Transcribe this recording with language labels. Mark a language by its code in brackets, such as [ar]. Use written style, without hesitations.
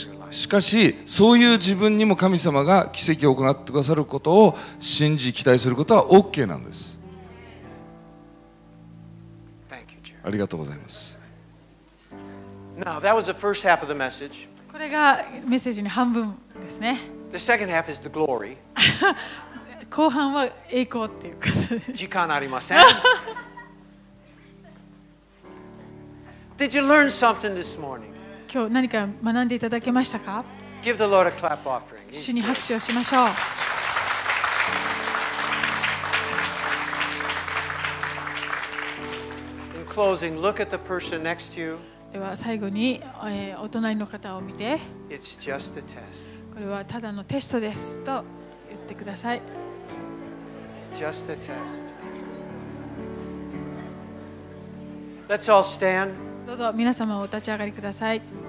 [ja] しかしそういう自分にも神様が奇跡を行ってくださることを信じ期待することは OK なんです。 [en] Thank you, Jerry. [ja] ありがとうございます。 [en] Now, that was the first half of the message. [ja] これがメッセージの半分ですね。 [en] The second half is the glory. [ja] 後半は栄光っていうこと。時間ありません。 [en] Did you learn something this morning? [ja] 今日何か学んでいただけましたか? [en] Give the Lord a clap offering. [ja] 主に拍手をしましょう。 [en] In closing, look at the person next to you. [ja] では最後に、お隣の方を見て。 [en] It's just a test. [ja] これはただのテストですと言ってください。 [en] It's just a test. Let's all stand. [ja] どうぞ皆様お立ち上がりください。